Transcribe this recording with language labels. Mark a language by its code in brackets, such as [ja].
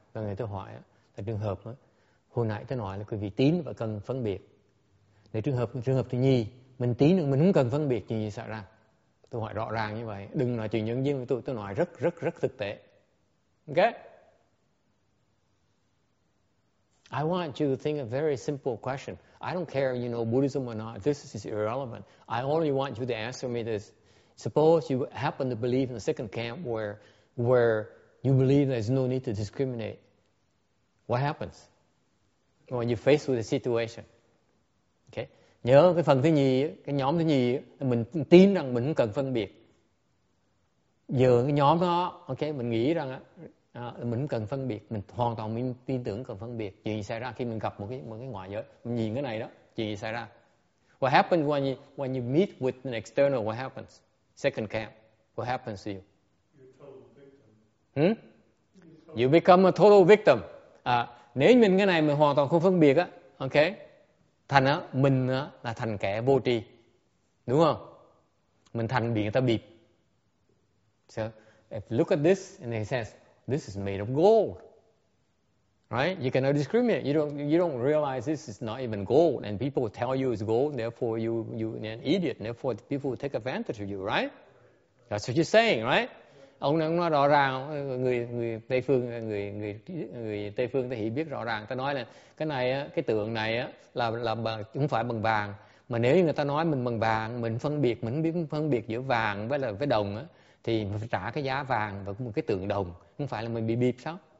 [vi] Lần này tôi hỏi là trường hợp hồi nãy tôi nói là quý vị tín và cần phân biệt. Để trường hợp thứ nhì, mình tí nữa mình không cần phân biệt chuyện gì xảy ra. Tôi hỏi rõ ràng như vậy, đừng nói chuyện nhân duyên với tôi nói rất rất rất thực tế. Ok? [en] I want you to think a very simple question. I don't care if you know Buddhism or not. This is irrelevant. I only want you to answer me this. Suppose you happen to believe in the second camp where you believe there's no need to discriminate. What happens when you face with a situation? Okay. [vi] Nhớ cái phần thứ nhì, cái nhóm thứ nhì, mình tin rằng mình không cần phân biệt. Giờ cái nhóm đó, okay, mình nghĩ rằng mình không cần phân biệt, mình hoàn toàn mình tin tưởng cần phân biệt. Chuyện gì xảy ra khi mình gặp một cái ngoại giới, mình nhìn cái này đó, chuyện gì xảy ra? [en] What happens when you meet with an external? What happens? Second camp. What happens to you? You become a total victim. [vi] Nếu mình cái này mình hoàn toàn không phân biệt á, okay, thành á mình á là thành kẻ vô tri, đúng không? Mình thành bị người ta bịp. [en] So if look at this and he says this is made of gold, right? You cannot discriminate. You don't realize this is not even gold, and people will tell you it's gold. Therefore, you are an idiot. Therefore, people will take advantage of you, right? That's what you're saying, right? [vi] Ông nói rõ ràng, người tây phương ta hiểu biết rõ ràng. Ta nói là cái này, cái tượng này là không phải bằng vàng. Mà nếu người ta nói mình bằng vàng, mình phân biệt giữa vàng với đồng, thì mình phải trả cái giá vàng và một cái tượng đồng, không phải là mình bị bịp sao?